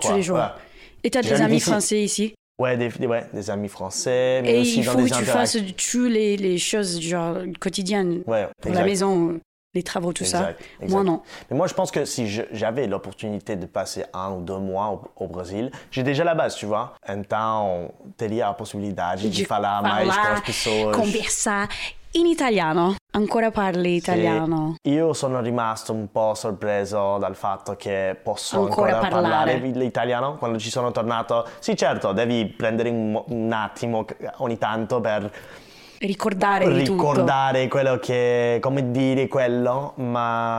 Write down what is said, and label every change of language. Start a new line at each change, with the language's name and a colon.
French: Tous les jours. Et t'as des amis français ici? Ouais, des amis français, mais et aussi dans des interactions. Et il faut que tu fasses toutes les choses genre quotidiennes, la maison, les travaux, tout ça. Moi, non. Mais moi, je pense que si j'avais l'opportunité de passer un ou deux mois au Brésil, j'ai déjà la base, tu vois.
Portuguese: Então, teria a possibilidade de falar mais com as pessoas. Conversar em italiano.
Italian: Ancora parli italiano. Sì. Io sono rimasto un po' sorpreso dal fatto che posso ancora parlare l'italiano. Quando ci sono tornato, sì, certo, devi prendere un attimo ogni tanto per ricordare tutto. Quello che, come dire quello, ma...